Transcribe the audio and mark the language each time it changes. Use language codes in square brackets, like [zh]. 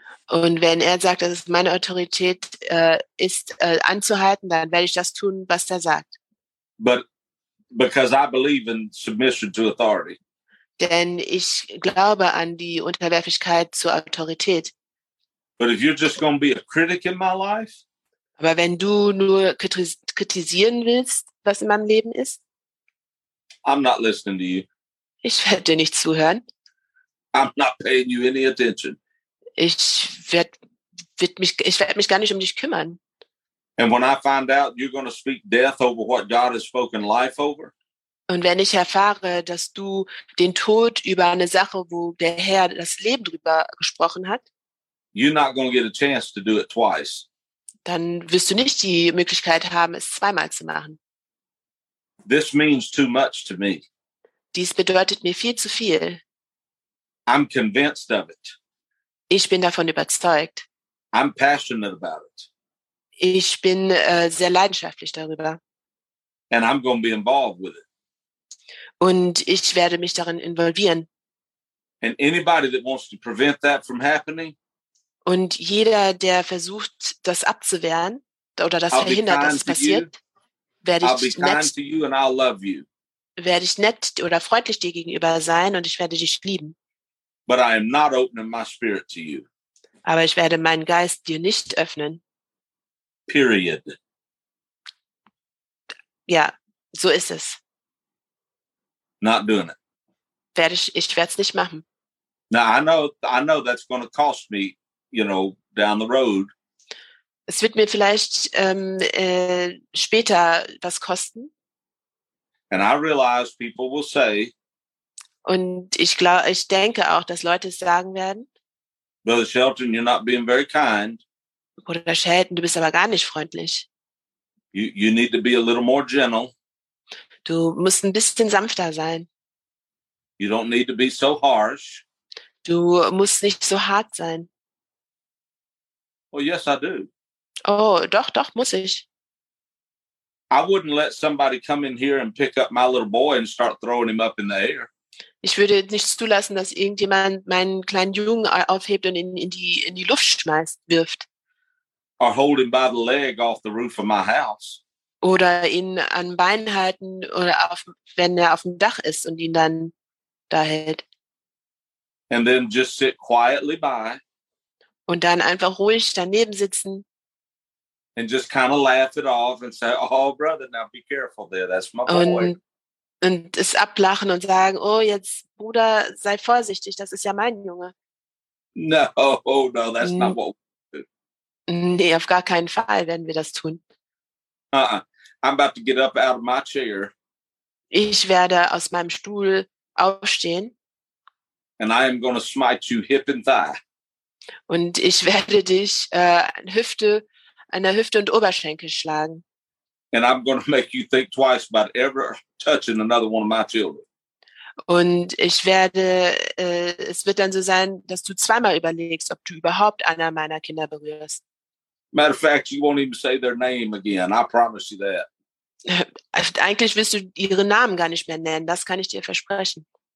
[de] Und wenn er sagt, dass es meine Autorität ist, anzuhalten, dann werde ich das tun, was er sagt. [en] But because I believe in submission to authority. [de] Denn ich glaube an die Unterwerfigkeit zur Autorität. [en] But if you're just going to be a critic in my life, [de] aber wenn du nur kritisieren willst, was in meinem Leben ist, [en] I'm not listening to you. [de] Ich werde dir nicht zuhören. [en] I'm not paying you any attention. [de] Ich werde mich gar nicht um dich kümmern. [en] And when I find out you're going to speak death over what God has spoken life over. [de] Und wenn ich erfahre, dass du den Tod über eine Sache, wo der Herr das Leben drüber gesprochen hat, [en] you're not going to get a chance to do it twice. [de] Dann wirst du nicht die Möglichkeit haben, es zweimal zu machen. [en] This means too much to me. [de] Dies bedeutet mir viel zu viel. [en] I'm convinced of it. [de] Ich bin davon überzeugt. [en] I'm passionate about it. [de] Ich bin sehr leidenschaftlich darüber. [en] And I'm going to be involved with it. [de] Und ich werde mich darin involvieren. [en] And anybody that wants to prevent that from happening, [de] und jeder, der versucht, das abzuwehren oder das verhindert, dass es passiert, werde ich nett oder freundlich dir gegenüber sein und ich werde dich lieben. [en] But I am not opening my spirit to you. [de] Aber ich werde meinen Geist dir nicht öffnen. [en] Period. [de] Ja, so ist es. [en] Not doing it. [de] Ich werde es nicht machen. [en] Now I know that's going to cost me, you know, down the road. [de] Es wird mir vielleicht später was kosten. [en] And I realize people will say, [de] und ich denke auch, dass Leute es sagen werden. [en] Brother Shelton, you're not being very kind. [de] Bruder Shelton, du bist aber gar nicht freundlich. [en] You need to be a little more gentle. [de] Du musst ein bisschen sanfter sein. [en] You don't need to be so harsh. [de] Du musst nicht so hart sein. [en] Well, yes, I do. [de] Oh, doch, muss ich. [en] I wouldn't let somebody come in here and pick up my little boy and start throwing him up in the air. [de] Ich würde nicht zulassen, dass irgendjemand meinen kleinen Jungen aufhebt und ihn in die Luft schmeißt, wirft. [en] Or hold him by the leg off the roof of my house. [de] Oder ihn an Beinen halten oder auf, wenn er auf dem Dach ist und ihn dann da hält. [en] And then just sit quietly by. [de] Und dann einfach ruhig daneben sitzen. [en] And just kind of laugh it off and say, oh, brother, now be careful there. That's my boy. [de] Und es ablachen und sagen, oh, jetzt, Bruder, sei vorsichtig, das ist ja mein Junge. [en] No, that's not what we do. [de] Nee, auf gar keinen Fall werden wir das tun. [en] I'm about to get up out of my chair. [de] Ich werde aus meinem Stuhl aufstehen. [en] And I am going to smite you hip and thigh. [de] Und ich werde dich an der Hüfte und Oberschenkel schlagen. [en] And I'm going to make you think twice about ever touching another one of my children. [de] Und ich werde, es wird dann so sein, dass du zweimal überlegst, ob du überhaupt einer meiner Kinder berührst. [en] Matter of fact, you won't even say their name again. I promise you that. [de] Eigentlich wirst du ihren Namen gar nicht mehr nennen. Das kann ich dir versprechen.